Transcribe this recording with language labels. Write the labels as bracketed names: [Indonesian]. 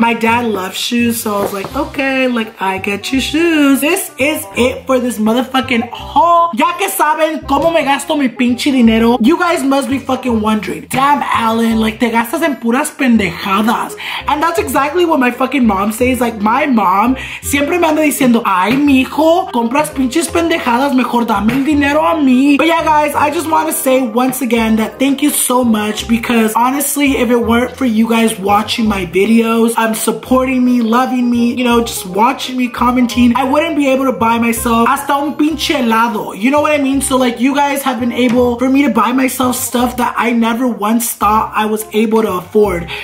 [English] My dad loves shoes, so I was like, okay, like, I get you shoes. This is it for this motherfucking haul. [Spanish] Ya que saben como me gasto mi pinche dinero, [English] you guys must be fucking wondering, damn Alan, like, [Spanish] te gastas en puras pendejadas. [English] And that's exactly what my fucking mom says. Like, my mom [Spanish] siempre me anda diciendo, ay mijo, compras pinches pendejadas, mejor dame el dinero a mí. [English] But yeah guys, I just want to say once again that thank you so much, because honestly, if it weren't for you guys watching my videos, supporting me, loving me, you know, just watching me, commenting, I wouldn't be able to buy myself [Spanish] hasta un pinche helado, [English] you know what I mean? So like, you guys have been able for me to buy myself stuff that I never once thought I was able to afford.